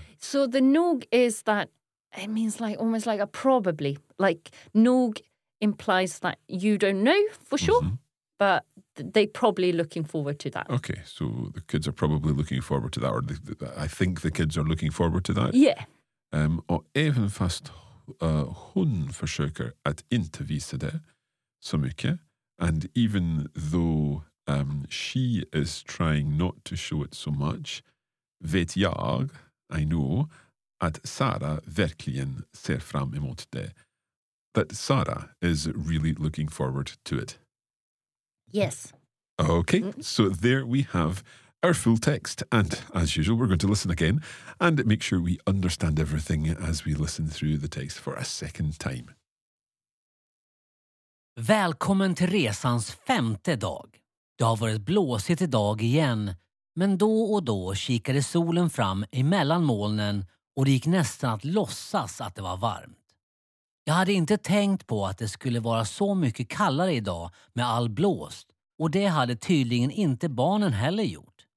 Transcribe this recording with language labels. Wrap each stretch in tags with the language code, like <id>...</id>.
<en>So the nog is that, it means like, almost like a probably. Like, nog implies that you don't know for sure, but they're probably looking forward to that. Okay, so the kids are probably looking forward to that, or I think the kids are looking forward to that. Yeah.</en> <sv>Och även fast hon försöker att inte visa det så mycket,</sv> <en>and even though she is trying not to show it so much,</en> <sv>vet jag,</sv> <en>I know,</en> <sv>att Sara verkligen ser fram emot det.</sv> <en>That Sara is really looking forward to it. Yes. Okay, so there we have our full text, and as usual, we're going to listen again and make sure we understand everything as we listen through the text for a second time.</en> <sv>Välkommen till resans femte dag. Det har varit blåsigt idag igen, men då och då kikade solen fram emellan molnen och det gick nästan att låtsas att det var varmt. Jag hade inte tänkt på att det skulle vara så mycket kallare idag med all blåst, och det hade tydligen inte barnen heller gjort.</sv>